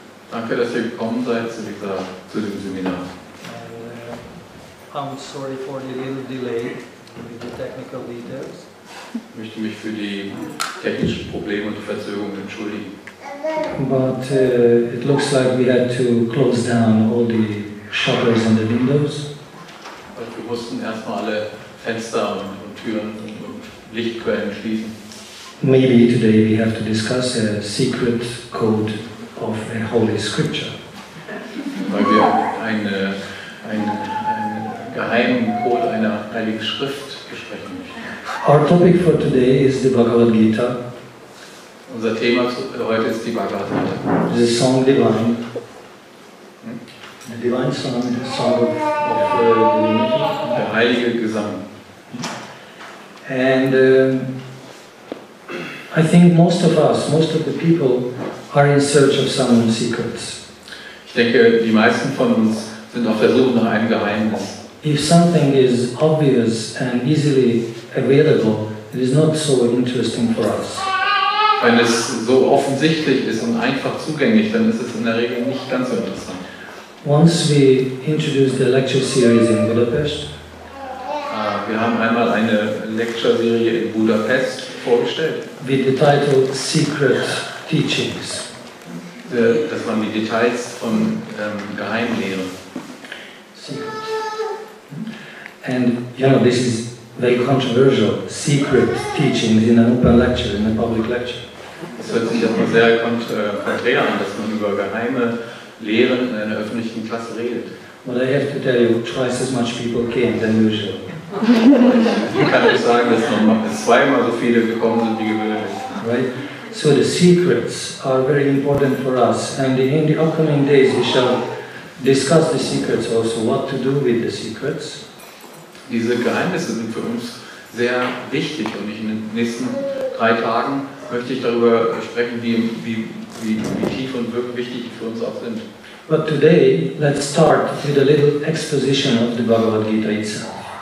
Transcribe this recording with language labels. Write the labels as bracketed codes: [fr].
[de] Danke, dass ihr gekommen seid, Sivita, zu dem Seminar. [en] I'm sorry for the little delay with the technical details. [de] Ich möchte mich für die technischen Probleme und die Verzögerung entschuldigen. [en] But it looks like we had to close down all the shutters and the windows. [de] Weil wir mussten erstmal alle Fenster und Türen und Lichtquellen schließen. [en] Maybe today we have to discuss a secret code of a holy scripture. [de] Weil wir einen geheimen Code einer heiligen Schrift besprechen möchten. [en] Our topic for today is the Bhagavad Gita. [de] Unser Thema heute ist die Bhagavad Gita. [en] The song divine. The divine song, the song of [de] der heilige Gesang. [en] And I think most of us, most of the people, are in search of some secrets. [de] Ich denke, die meisten von uns sind auf der Suche nach einem Geheimnis. [en] If something is obvious and easily available, it is not so interesting for us. [de] Wenn es so offensichtlich ist und einfach zugänglich, dann ist es in der Regel nicht ganz so interessant. [en] Once we introduced the lecture series in Budapest. [de] Wir haben einmal eine Lecture-Serie in Budapest vorgestellt. [en] With the title Secret Teachings. [de] Das waren die Details von Geheimlehren. [en] Secret. And you know, this is very controversial. Secret Teachings in an open lecture, in a public lecture. [de] Es hört sich auch sehr konträr an, dass man über geheime Lehren in einer öffentlichen Klasse redet. [en] But I have to tell you, twice as much people came than usual. [de] Ich kann euch sagen, dass noch zweimal so viele gekommen sind wie gewöhnlich. [en] Right? So the secrets are very important for us, and in the upcoming days we shall discuss the secrets also, what to do with the secrets. [de] Diese Geheimnisse sind für uns sehr wichtig, und ich in den nächsten 3 Tagen möchte ich darüber sprechen, wie tief und wirklich wichtig die für uns auch sind. [en] But today, let's start with a little exposition of the Bhagavad Gita itself.